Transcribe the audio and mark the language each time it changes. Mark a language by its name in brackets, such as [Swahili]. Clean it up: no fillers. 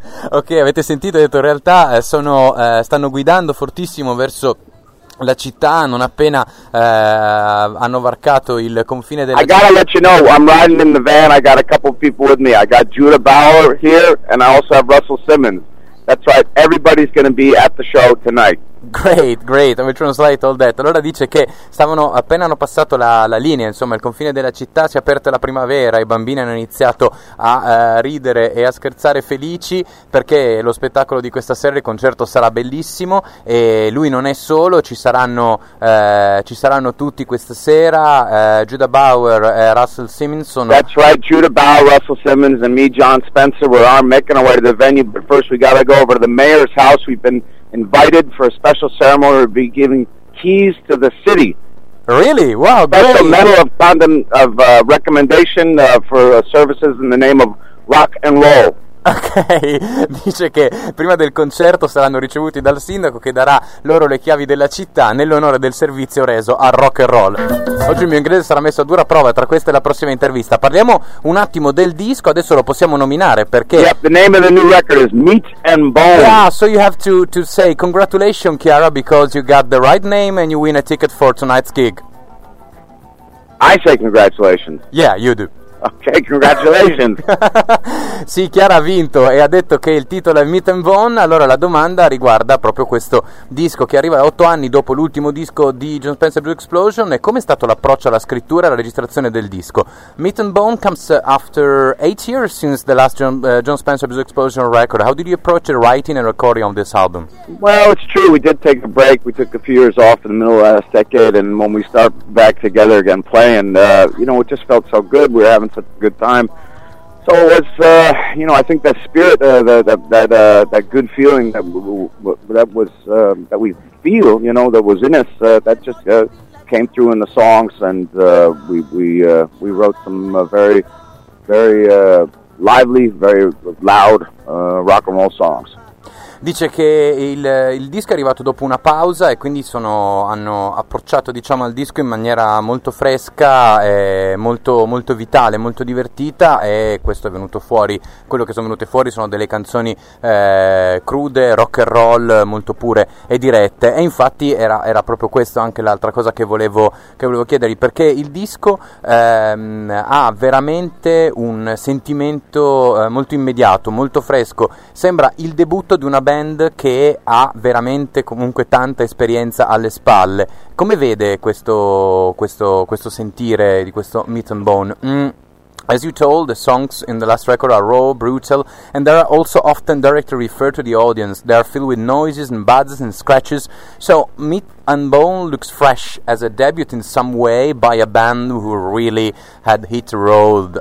[Italian] Ok, avete sentito, ho detto, in realtà sono stanno guidando fortissimo verso la città, non appena hanno varcato il confine della [English] città. I gotta let you know, I'm riding in the van, I got a couple of people with me. I got Judah Bauer here, and I also have Russell Simmons. That's right, everybody's gonna be at the show tonight. Great, great, I'm going to translate all that. [Italian] Allora dice che stavano appena hanno passato la linea, insomma, il confine della città, si è aperta la primavera, i bambini hanno iniziato a ridere e a scherzare felici, perché lo spettacolo di questa sera, il concerto, sarà bellissimo, e lui non è solo, ci saranno tutti questa sera, Judah Bauer e Russell Simmons sono... [English] That's right, Judah Bauer, Russell Simmons and me, John Spencer, we're on making our way to the venue, but first we gotta go over to the mayor's house. We've been invited for a special ceremony to be giving keys to the city. Really? Wow, great. Special medal of recommendation for services in the name of rock and roll. [Italian] Ok, dice che prima del concerto saranno ricevuti dal sindaco, che darà loro le chiavi della città nell'onore del servizio reso al rock and roll. Oggi il mio inglese sarà messo a dura prova tra questa e la prossima intervista. Parliamo un attimo del disco, adesso lo possiamo nominare perché... [English] Yep, the name of the new record is Meat and Bone. Yeah, so you have to say congratulations, Chiara, because you got the right name and you win a ticket for tonight's gig. I say congratulations. Yeah, you do. Okay, congratulations. [Italian] Sì, Chiara ha vinto e ha detto che il titolo è Meat and Bone. Allora la domanda riguarda proprio questo disco, che arriva 8 anni dopo l'ultimo disco di John Spencer Blue Explosion. E com'è stato l'approccio alla scrittura e alla registrazione del disco? [English] Meat and Bone comes after 8 years since the last John Spencer Blue Explosion record. How did you approach the writing and recording of this album? Well, it's true, we did take a break. We took a few years off in the middle of last decade, and when we start back together again playing, you know, it just felt so good. We're having such a good time. So it was, you know, I think that spirit, that good feeling that we feel, you know, that was in us, that just came through in the songs, and we wrote some very, very lively, very loud rock and roll songs. [Italian] Dice che il disco è arrivato dopo una pausa e quindi hanno approcciato, diciamo, al disco in maniera molto fresca, molto, molto vitale, molto divertita, e questo è venuto fuori. Quello che sono venute fuori sono delle canzoni crude, rock and roll, molto pure e dirette. E infatti era proprio questo anche l'altra cosa che volevo chiedergli, perché il disco ha veramente un sentimento molto immediato, molto fresco. Sembra il debutto di una band che ha veramente comunque tanta esperienza alle spalle. Come vede questo sentire di questo Meat and Bone? [English] As you told, the songs in the last record are raw, brutal, and they are also often directly referred to the audience. They are filled with noises and buzzes and scratches. So Meat and Bone looks fresh as a debut in some way by a band who really had hit the road.